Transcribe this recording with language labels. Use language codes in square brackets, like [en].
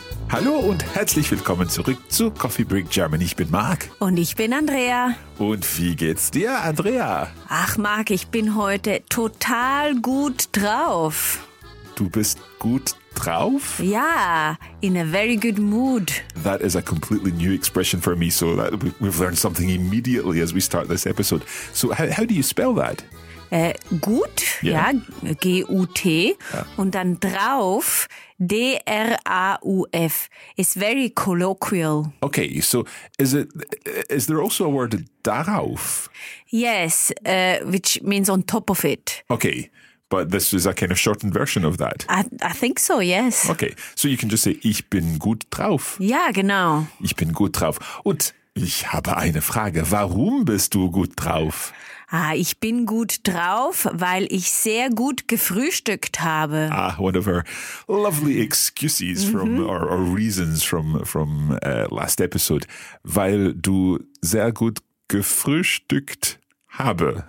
[de] Hallo und herzlich willkommen zurück zu Coffee Break German. Ich bin Marc. Und ich bin Andrea. Und wie geht's dir, Andrea? Ach Marc, ich bin heute total gut drauf. Du bist gut drauf? [en] Ja, in a very good mood. That is a completely new expression for me, so that we've learned something immediately as we start this episode. So how do you spell that? [de] Gut, yeah. Ja, G-U-T, ja. Und dann drauf, D-R-A-U-F. [en] It's very colloquial. Okay, so is there also a word darauf? Yes, which means on top of it. Okay, but this is a kind of shortened version of that. I think so, yes. Okay, so you can just say, [de] ich bin gut drauf. Ja, genau. Ich bin gut drauf. Und ich habe eine Frage, warum bist du gut drauf? Ah, ich bin gut drauf, weil ich sehr gut gefrühstückt habe. [en] Ah, one of our lovely excuses mm-hmm. from or reasons from last episode, [de] weil du sehr gut gefrühstückt habe